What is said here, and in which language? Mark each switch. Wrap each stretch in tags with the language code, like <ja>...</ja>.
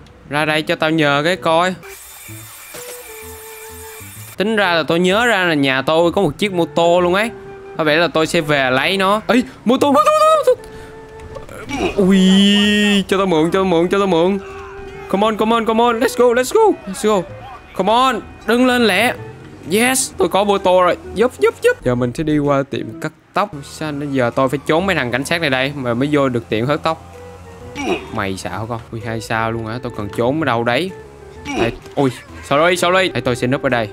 <vi>Ra đây cho tao nhờ cái coi. Tính ra là tôi nhớ ra là nhà tôi có một chiếc mô tô luôn ấy. Có vẻ là tôi sẽ về lấy nó. Ê, mô tô, mô tô, mô tô, mô tô. Ui, cho tao mượn, cho tao mượn, cho tao mượn.</vi> <en>Come on, come on, come on, let's go, let's go, let's go. Come on,</en> <vi>đứng lên lẹ. Yes, tôi có mô tô rồi, giúp, giúp, giúp. Giờ mình sẽ đi qua tiệm cắt tóc. Sao nên giờ tôi phải trốn mấy thằng cảnh sát này đây mà mới vô được tiệm cắt tóc. Mày xạo con, ui, hai sao luôn hả, tôi cần trốn ở đâu đấy. Ê, ui,</vi> <en>sorry, sorry.</en> <vi>Ê, tôi sẽ núp ở đây.</vi>